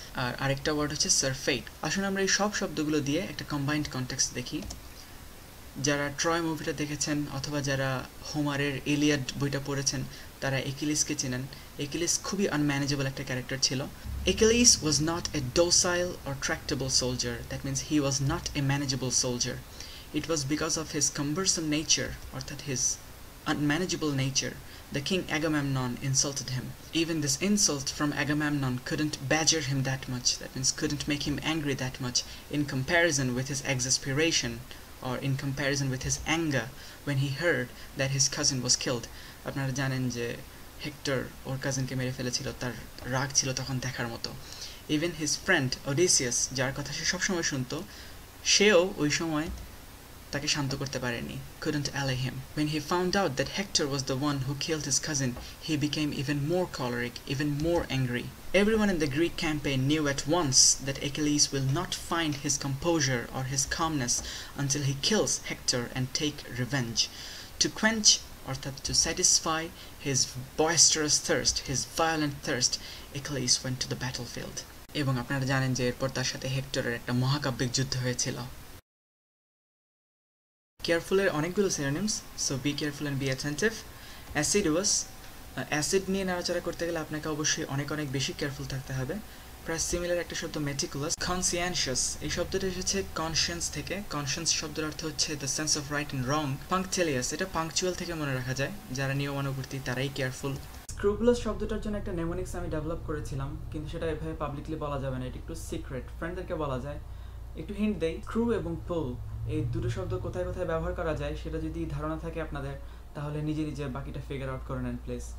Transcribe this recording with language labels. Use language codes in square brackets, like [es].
[bn] আর আরেকটা ওয়ার্ড হচ্ছে সারফেইট। আসুন আমরা এই সব শব্দগুলো দিয়ে একটা কম্বাইন্ড কনটেক্সট দেখি। যারা ট্রয় মুভিটা দেখেছেন অথবা যারা হোমারের এলিয়াড বইটা পড়েছেন তারা একিলিসকে চেনেন, একিলিস খুবই আনম্যানেজেবল একটা ক্যারেক্টার ছিল। [en] Achilles was not a docile or tractable soldier, that means he was not a manageable soldier. it was because of his cumbersome nature, or that his unmanageable nature, the king Agamemnon insulted him. Even this insult from Agamemnon couldn't badger him that much, that means couldn't make him angry that much, in comparison with his exasperation, or in comparison with his anger, when he heard that his cousin was killed. [bn] আপনারা জানেন যে hectare ওর কাজিনকে মেরে ফেলেছিল, তার রাগ ছিল তখন দেখার মতো। ইভেন হিজ ফ্রেন্ড ওডিসিয়াস, যার কথা সে সবসময় শুনত, সেও ওই সময় তাকে শান্ত করতে পারেনি, [en] couldn't allay him. When he found out that Hector was the one who killed his cousin, he became even more choleric, even more angry. Everyone in the Greek campaign knew at once that Achilles will not find his composure or his calmness until he kills Hector and take revenge. To quench, or to satisfy his boisterous thirst, his violent thirst, Achilles went to the battlefield. [bn] এবং আপনারা জানেন যে এরপর তার সাথে হেক্টরের একটা মহাকাব্যিক যুদ্ধ হয়েছিল। [en] Careful [bn] এর অনেকগুলো [en] synonyms, so be careful and be attentive. [bn] Assiduous, acid নিয়ে নাড়াচাড়া করতে গেলে আপনাকে অবশ্যই অনেক অনেক বেশি কেয়ারফুল থাকতে হবে। প্রায় সিমিলার একটা শব্দ meticulous. Conscientious, এই শব্দটা এসেছে conscience থেকে, conscience শব্দের অর্থ হচ্ছে [en] the sense of right and wrong. [bn] Punctilious, এটা punctual থেকে মনে রাখা যায়, যারা নিয়মানুবর্তী তারাই কেয়ারফুল। Scrupulous শব্দটার জন্য একটা mnemonics আমি ডেভেলপ করেছিলাম, কিন্তু সেটা এভাবে পাবলিকলি বলা যাবে না, এটা একটু সিক্রেট, ফ্রেন্ডদেরকে বলা যায়। একটু হিন্ট দেই, স্ক্রু এবং পুল এই দুটো শব্দ কোথায় কোথায় ব্যবহার করা যায় সেটা যদি ধারণা থাকে আপনাদের, তাহলে নিজে নিজে বাকিটা ফিগার আউট করে নেন প্লিজ।